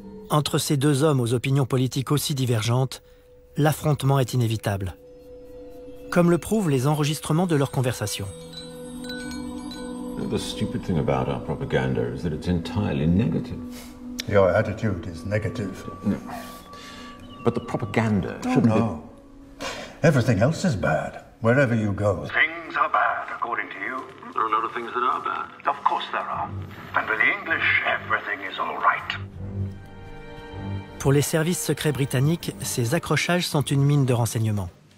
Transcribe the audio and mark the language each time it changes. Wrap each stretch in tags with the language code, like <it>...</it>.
<fr>Entre ces deux hommes aux opinions politiques aussi divergentes, l'affrontement est inévitable. Comme le prouvent les enregistrements de leurs conversations.</fr> <en>The stupid thing about our propaganda is that it's entirely negative. Your attitude is negative. No. But the propaganda shouldn't be... Everything else is bad, wherever you go. Things are bad, according to you. There are a lot of things that are bad. Of course there are. And for the English, everything is all right.</en> <fr>Pour les services secrets britanniques, ces accrochages sont une mine de renseignements.</fr>